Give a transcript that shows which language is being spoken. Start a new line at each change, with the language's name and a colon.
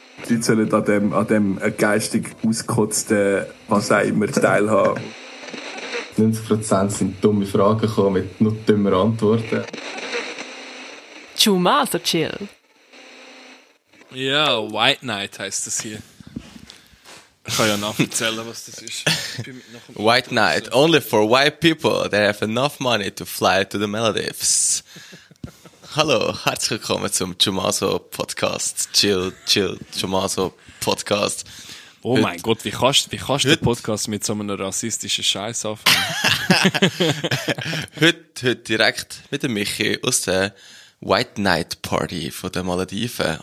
German: Leute sollen an dem geistig ausgekotzten, was auch immer, teilhaben. 90% sind dumme Fragen gekommen mit nur dümmer Antworten. Chumaso Chill. Ja, White Knight heisst das hier. Ich kann ja nachzählen, was das ist.
English: White Knight, only for white people that have enough money to fly to the Maldives.
German: Hallo, herzlich willkommen zum Chumaso-Podcast. Chill, Chumaso-Podcast. Oh mein Gott, wie kannst du den Podcast mit so einem rassistischen Scheiß anfangen? heute direkt mit dem Michi aus der White Night Party von den Malediven.